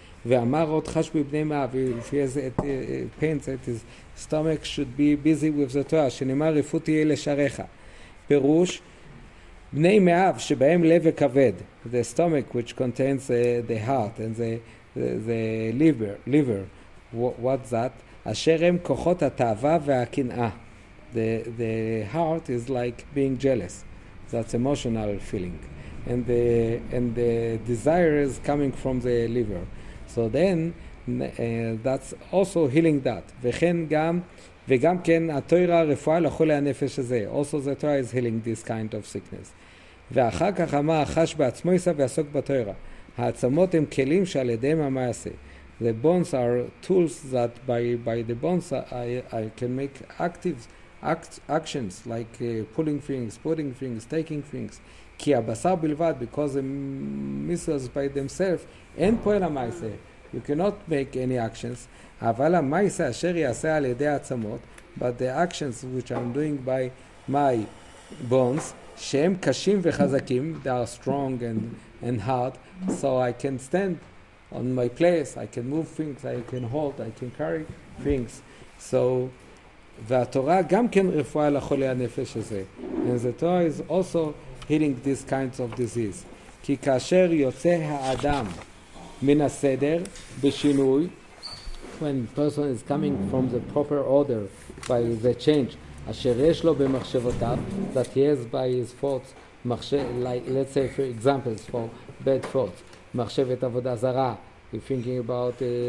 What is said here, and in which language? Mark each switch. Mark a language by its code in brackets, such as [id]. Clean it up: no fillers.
[he] ואמר עוד חש בבני מאב, [en] if he has pains at his stomach, should be busy with the Torah, [he] שנאמר רפואה תהיה לשעריך. פירוש, בני מאב שבהם לב וכבד, [en] the stomach which contains the heart and the liver, what's that? [he] אשר הם כוחות התאווה והקנאה. [en] The heart is like being jealous. That's emotional feeling. And the desire is coming from the liver. So then that's also healing that. [he] וגם כן התורה רפואה לחולי הנפש הזה. [en] Also the Torah is healing this kind of sickness. [he] ואחר כך אמר חש בעצמו יישא ועסוק בתורה. העצמות הם כלים שעל ידיהם המעשה. [en] The bones are tools that by the bones I can make actions like pulling things, putting things, taking things. [he] כי הבשר בלבד, [en] because the muscles by themselves, [he] אין פועל המעשה. [en] You cannot make any actions. [he] אבל המעשה אשר יעשה על ידי העצמות, [en] but the actions which I'm doing by my bones, [he] שהם קשים וחזקים, [en] they are strong and hard, so I can stand on my place, I can move things, I can hold, I can carry things. [he] So, והתורה גם כן רפואה לחולי הנפש הזה. [en] And the Torah is also healing these kinds of disease. [he] כי כאשר יוצא האדם מן הסדר בשינוי, [en] when a person is coming from the proper order by the change, [he] אשר יש לו במחשבותיו, [en] that he has by his thoughts, like, let's say for examples for bad thoughts, [he] מחשבת עבודה זרה, [en] you're thinking about